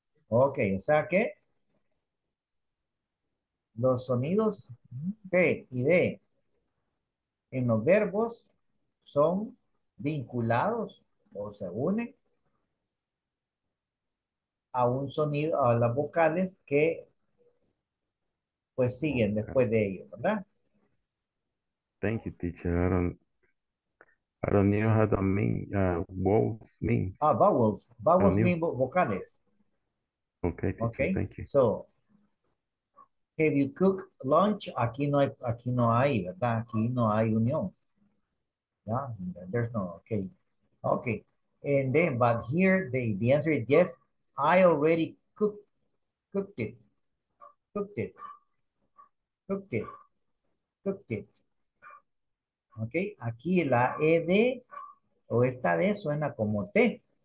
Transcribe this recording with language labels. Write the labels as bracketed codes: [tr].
[es] Okay, o sea que los sonidos P y D en los verbos son vinculados o se unen a un sonido, a las vocales que pues siguen después de ellos, ¿verdad? [en] Thank you, teacher. I don't know how to mean vowels mean. Ah, vowels. Vowels mean vocales. Okay, teacher, okay, thank you. So, have you cooked lunch? [es] Aquí no hay, ¿verdad? Aquí no hay unión. [en] Yeah, there's no, okay. Okay, and then, but here, the answer is yes, I already cooked it. [es] Okay, aquí la ED, o esta D suena como T.